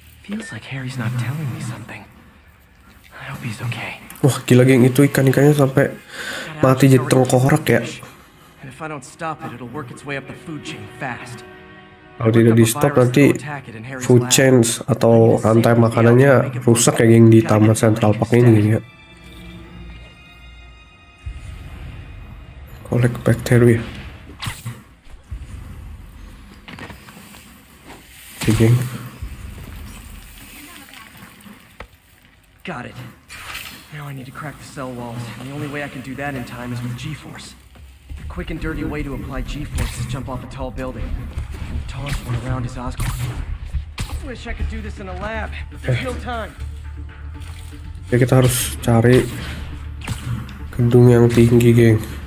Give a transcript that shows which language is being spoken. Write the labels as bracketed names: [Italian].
[English] Feels like Harry's not telling me something. I hope he's okay. [Indonesian] Wah, gila geng, itu ikan-ikannya sampai mati jadi tengkorak ya. [English] If I don't stop it, it'll work its way up the food chain fast. [Indonesian] Kalau tidak di stop nanti [English] food chain [Indonesian] atau rantai makanannya rusak ya geng di Taman Central Park ini ya. [English] Collect bacteria. [Indonesian] Oke geng. [English] Got it. Now I need to crack the cell walls. And the only way I can do that in time is with G-force. The quick and dirty way to apply G-force is jump off a tall building. Tossed one around his Oscar. Wish I could do this in a lab, but there's no time. [Indonesian] Ya kita harus cari gedung yang tinggi, geng.